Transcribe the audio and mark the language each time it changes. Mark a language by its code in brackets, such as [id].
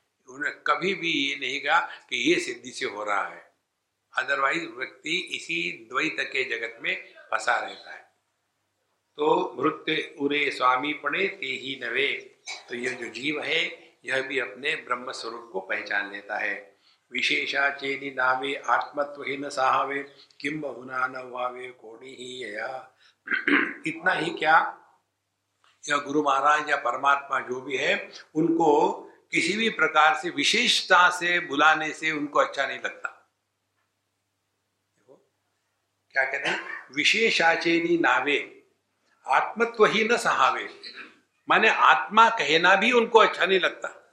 [hi] उन्होंने कभी भी ये नहीं कहा कि ये सिद्धि से हो रहा है. अदरवाइज व्यक्ति इसी द्वैत के जगत में फंसा रहता है. तो [mr] मृत्यु उरे स्वामी पड़े ते ही नवे, [hi] तो यह जो जीव है यह भी अपने ब्रह्म स्वरूप को पहचान लेता है. [mr] विशेषा चेनी नावे आत्मत्व ही न सहावे किम बहुना न वावे कोणी ही यया. [hi] इतना ही क्या, या गुरु महाराज या परमात्मा जो भी है उनको किसी भी प्रकार से विशेषता से बुलाने से उनको अच्छा नहीं लगता. देखो क्या कहते हैं, [mr] विशेषा चेनी नावे आत्मत्व ही न सहावे, [hi] माने आत्मा कहना भी उनको अच्छा नहीं लगता.